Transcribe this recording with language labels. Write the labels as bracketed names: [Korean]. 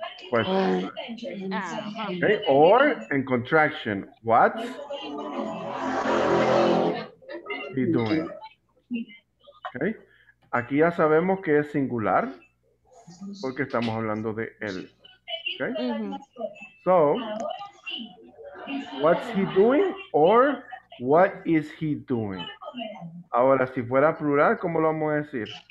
[English] question. Okay, or in contraction, what he doing? [Spanish] Okay, aquí ya sabemos que es singular porque estamos hablando de él. [English] Okay, so what's he doing or what is he doing? [Spanish] Ahora, si fuera plural, ¿cómo lo vamos a decir?